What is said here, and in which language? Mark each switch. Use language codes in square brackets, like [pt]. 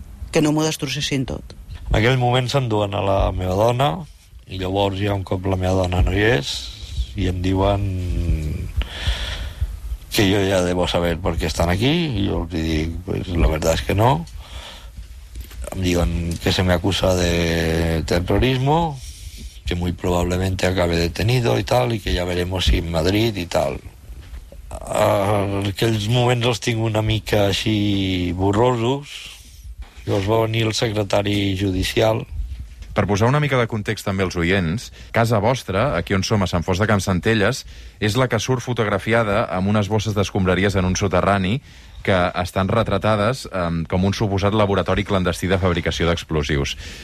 [ca] Que no m'ho destrossessin tot. En aquell moment s'enduen a la meva dona, i llavors ja un cop la meva dona no hi és, i em diuen que jo ja devo saber per què estan aquí, i jo els dic, pues, la veritat és que no. Em diuen que [es] se me acusa de terrorismo, que muy probablemente acabe detenido y tal, y que ya veremos si en Madrid y tal. [ca] Aquells moments els tinc una mica així borrosos. Llavors va venir el secretari judicial. Per posar una mica de context també als oients, casa vostra, aquí on som, a Sant Fost de Can Centelles, és la que surt fotografiada amb unes bosses d'escombraries en un soterrani que estan retratades com un suposat laboratori clandestí de fabricació d'explosius.